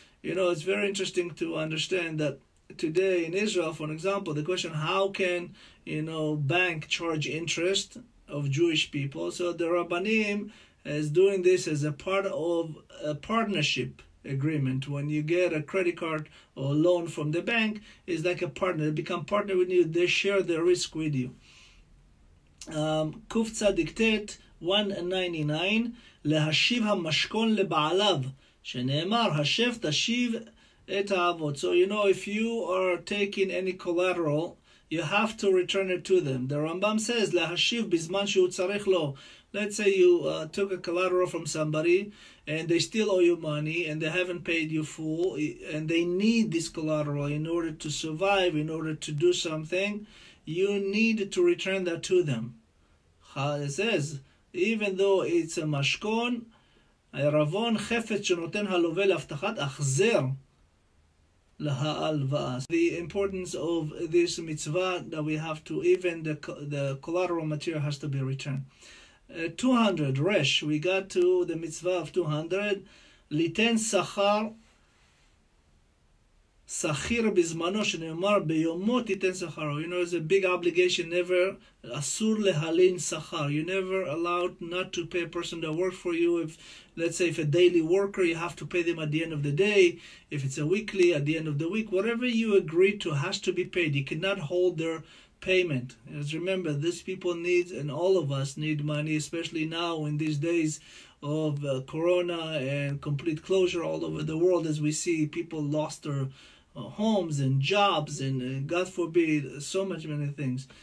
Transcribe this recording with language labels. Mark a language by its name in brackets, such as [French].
[English] You know, it's very interesting to understand that today in Israel, for example, the question, how can, you know, bank charge interest of Jewish people? So the Rabbanim is doing this as a part of a partnership agreement. When you get a credit card or loan from the bank, it's like a partner. They become partner with you. They share the risk with you. [Hebrew] Kuf Tzadik Tet 199, להשיב המשכון לבעליו, שנאמר, השב תשיב את האבות. [English] So, you know, if you are taking any collateral, you have to return it to them. The Rambam says, [Hebrew] להשיב בזמן שהוא צריך לו. [English] Let's say you took a collateral from somebody and they still owe you money and they haven't paid you full and they need this collateral in order to survive, in order to do something. You need to return that to them. It says, even though it's a mashkon, [Hebrew] ha'ravon chefet shenoten halove l'avtachat achzer la'alva'a. [English] The importance of this mitzvah that we have to, even the collateral material has to be returned. 200, resh, we got to the mitzvah of 200. [Hebrew] Liten sachar, שכיר בזמנו שנאמר ביומו תיתן שכרו. [English] You know, it's a big obligation. Never, [Hebrew] אסור להלין שכר. [English] You never allowed not to pay a person that works for you. If, let's say, if a daily worker, you have to pay them at the end of the day. If it's a weekly, at the end of the week. Whatever you agree to has to be paid. You cannot hold their payment. As remember, these people need, and all of us need money, especially now in these days of corona and complete closure all over the world, as we see people lost their homes and jobs and God forbid so much many things.